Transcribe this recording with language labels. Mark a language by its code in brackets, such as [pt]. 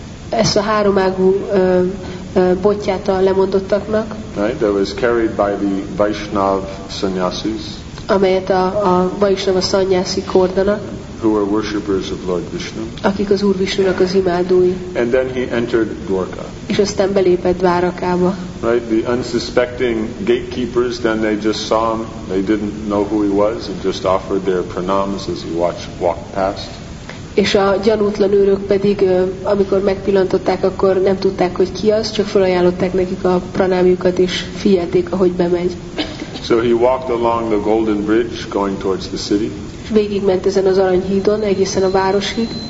[hu] Ezt a három ágú botját a lemondottaknak. [en] Right, that was carried by the Vaishnav sannyasis. [hu] Amelyet a Vaishnava sannyasi kordanak. [en] Who were worshippers of Lord Vishnu. [hu] Akik az Úr Vishnunak az imádói. [en] And then he entered Dwarka. [hu] És aztán belépett Dvárakába. [en] Right, the unsuspecting gatekeepers, then they just saw him, they didn't know who he was, and just offered their pranams as he walked past. [hu] És a gyanútlan őrök pedig, amikor megpillantották, akkor nem tudták, hogy ki az, csak felajánlották nekik a pranámjukat, és figyelték, ahogy bemegy. [en] So he walked along the golden bridge going towards the city. [hu] És végigment ezen az aranyhídon egészen a városig.